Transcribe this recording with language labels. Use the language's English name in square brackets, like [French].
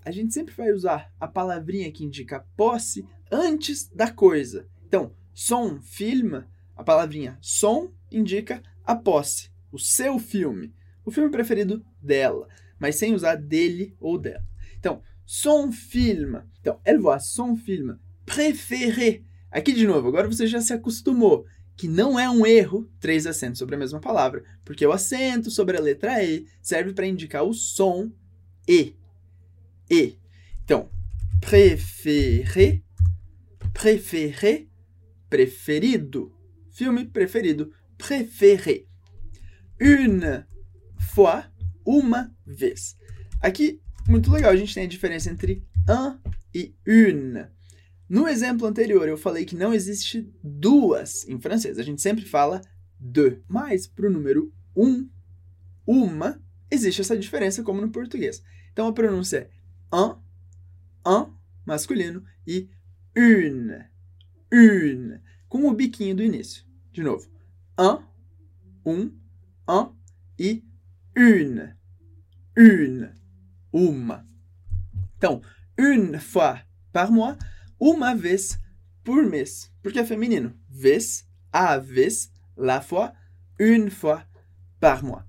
[Portuguese] A gente sempre vai usar a palavrinha que indica posse antes da coisa. Então, son film, a palavrinha son indica a posse, o seu filme, o filme preferido dela, mas sem usar dele ou dela. [French] Então, son film. Então, elle voit son film préféré. [Portuguese] Aqui de novo, agora você já se acostumou. Que não é um erro três acentos sobre a mesma palavra, porque o acento sobre a letra E serve para indicar o som E. E. Então, préféré, préféré, preferido, filme preferido, préféré. Une fois, uma vez. Aqui, muito legal, a gente tem a diferença entre un e une. No exemplo anterior, eu falei que não existe duas em francês. A gente sempre fala de. Mas, para o número um, uma, existe essa diferença como no português. Então, a pronúncia é un, masculino, e une, une, com o biquinho do início. De novo, un, e une, une, uma. Então, [French] une fois par mois, uma vez por mês, porque é feminino. [Portuguese] Vez, a vez, [French] la fois, une fois par mois.